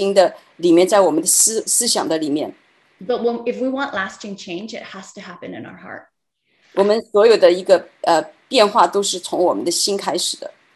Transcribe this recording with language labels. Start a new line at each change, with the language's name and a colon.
Chinese: 因为有一个就是惧怕在我们的心的里面，在我们的思想的里面。
English: But when, if we want lasting change, it has to happen in our heart.
Chinese: 我们所有的一个变化都是从我们的心开始的。